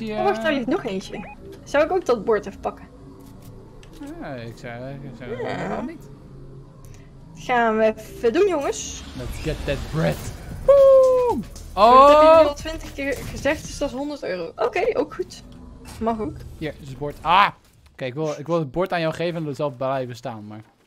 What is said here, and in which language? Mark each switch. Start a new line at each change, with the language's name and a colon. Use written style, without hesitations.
Dutch: Oh, wacht, daar ligt nog eentje. Zou ik ook dat bord even pakken? Ja, ik zei ja. Dat wel niet. Gaan we even doen, jongens.
English: Let's get that bread. Boom! Oh!
Dutch: Dat heb je al 20 keer gezegd, dus dat is 100 euro. Oké, ook goed. Mag ook. Hier, dus het bord. Ah! Kijk, ik wil het bord aan jou geven en er zelf blijven staan, maar...